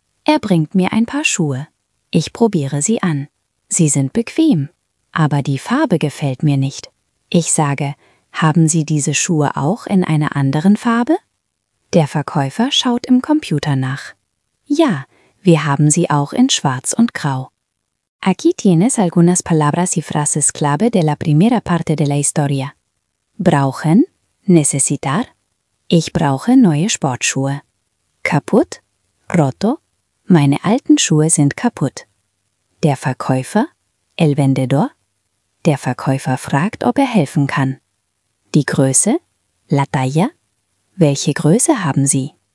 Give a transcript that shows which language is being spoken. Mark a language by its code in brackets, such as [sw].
[de] Er bringt mir ein paar Schuhe. Ich probiere sie an. Sie sind bequem, aber die Farbe gefällt mir nicht. Ich sage, haben Sie diese Schuhe auch in einer anderen Farbe? Der Verkäufer schaut im Computer nach. Ja, wir haben sie auch in Schwarz und Grau. [es] Aquí tienes algunas palabras y frases clave de la primera parte de la historia. [de] Brauchen, necesitar, ich brauche neue Sportschuhe. Kaputt, roto, meine alten Schuhe sind kaputt. Der Verkäufer, [es] el vendedor, [de] der Verkäufer fragt, ob er helfen kann. Die Größe, [es] la talla, [de] welche Größe haben Sie?